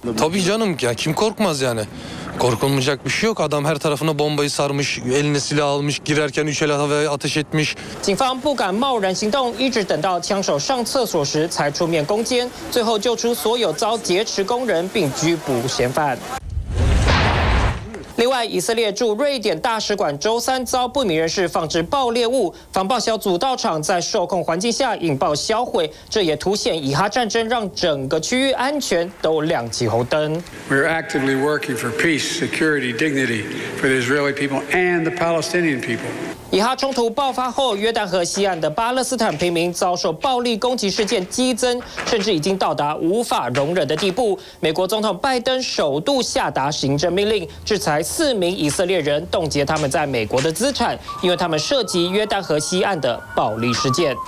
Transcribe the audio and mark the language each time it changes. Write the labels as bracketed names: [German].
[Turkish] Tabii canım ya, kim korkmaz yani? Korkulmayacak bir şey yok. Adam her tarafına bombayı sarmış, eline silah almış, girerken 3 el havaya ateş etmiş. [Chinese] 警方不敢贸然行动，一直等到枪手上厕所时才出面攻坚，最后救出所有遭劫持工人，并。拘捕嫌犯。另外，以色列驻瑞典大使馆周三遭不明人士放置爆裂物，防爆小组到场，在受控环境下引爆销毁，这也凸显以哈战争让整个区域安全都亮起红灯。 [English] We are actively working for peace, security, dignity for the Israeli people and the Palestinian people. [Chinese] 以哈冲突爆发后，约旦河西岸的巴勒斯坦平民遭受暴力攻击事件激增，甚至已经到达无法容忍的地步。美国总统拜登首度下达行政命令，制裁四名以色列人，冻结他们在美国的资产，因为他们涉及约旦河西岸的暴力事件。